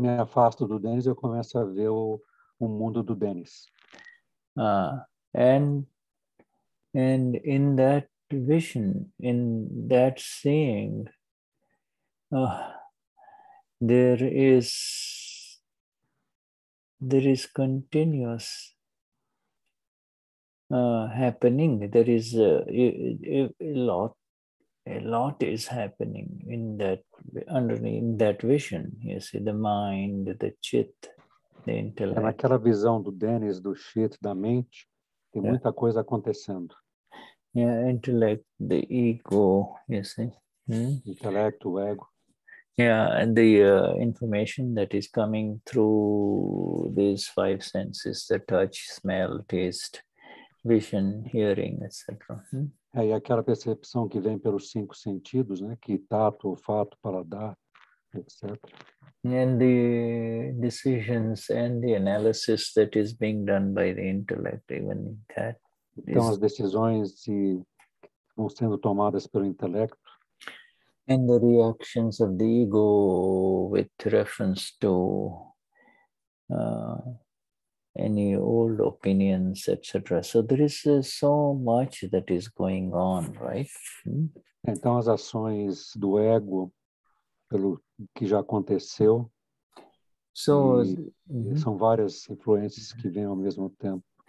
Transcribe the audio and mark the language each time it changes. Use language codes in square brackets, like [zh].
[pt] me afasto do Dennis, eu começo a ver o mundo do Dennis. [en] And in that vision, in that seeing, there is continuous happening. There is a lot is happening in that underneath that vision. You see the mind, the chit, the intellect. [pt] Naquela visão do Dennis, do chit, da mente, tem muita coisa acontecendo. [en] Yeah, intellect, the ego, you see. [pt] Intellect, o ego. [en] Yeah, and the information that is coming through these five senses, the touch, smell, taste, vision, hearing, etc. [pt] É, e aquela percepção que vem pelos cinco sentidos, né? Que tato, olfato, paladar, etc. [en] And the decisions and the analysis that is being done by the intellect, even that. [pt] Então, as decisões que vão sendo tomadas pelo intelecto. [en] And the reactions of the ego with reference to any old opinions, etc. So there is so much that is going on, right? [pt] Então as ações do ego pelo que já aconteceu. [en] So [pt] são várias influências que vêm ao mesmo tempo.